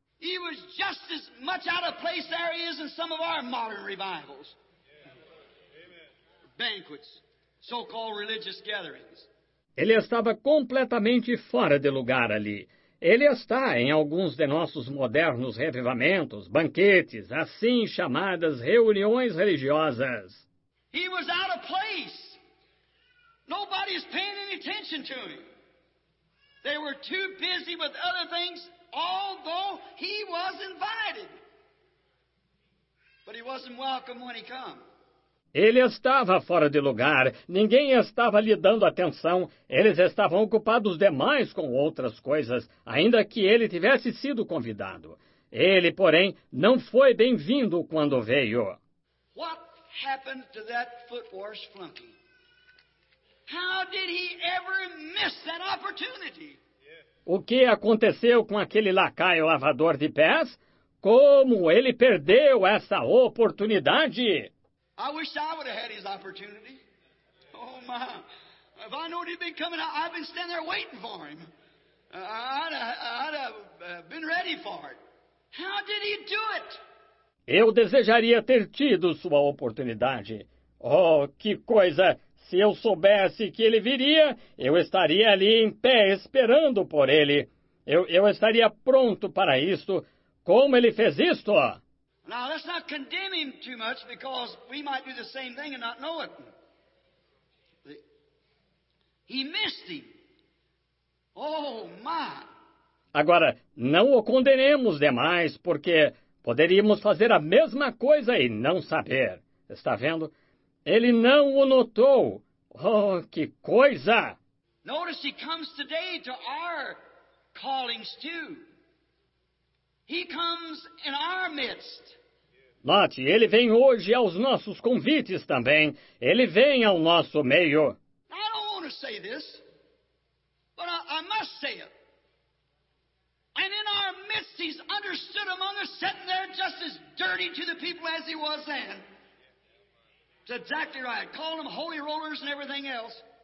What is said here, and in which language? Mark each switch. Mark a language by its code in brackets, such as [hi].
[en] He was just as much out of place there he is in some of our modern revivals. Banquets, so-called religious gatherings. [pt] Ele estava completamente fora de lugar ali. Ele está em alguns de nossos modernos revivamentos, banquetes, assim chamadas reuniões religiosas. [en] He was out of place. Nobody's paying any attention to him. They were too busy with other things, although he was invited. But he wasn't welcome when he came. [pt] Ele estava fora de lugar, ninguém estava lhe dando atenção, eles estavam ocupados demais com outras coisas, ainda que ele tivesse sido convidado. Ele, porém, não foi bem-vindo quando veio. [en] What happened to that foot wash flunky? How did he ever miss that opportunity? [pt] O que aconteceu com aquele lacaio lavador de pés? Como ele perdeu essa oportunidade? [en] I wish I would have had his opportunity. Oh, my. If I knew he'd been coming, I'd been standing there waiting for him. I'd have been ready for it. How did he do it? [pt] Eu desejaria ter tido sua oportunidade. Oh, que coisa! Se eu soubesse que ele viria, eu estaria ali em pé esperando por ele. Eu estaria pronto para isto. Como ele fez isto? [en] Now, let's not condemn him too much, because we might do the same thing and not know it. He missed him. Oh, my. [pt] Agora, não o condenemos demais, porque poderíamos fazer a mesma coisa e não saber. Está vendo? Ele não o notou. Oh, que coisa! [en] Notice he comes today to our callings too. He comes in our midst. [pt] Note, ele vem hoje aos nossos convites também. Ele vem ao nosso meio. [en] I don't want to say this, but I must say it. And in our midst, he's understood among us, sitting there just as dirty to the people as he was then. It's exactly right. Call them holy rollers and everything else.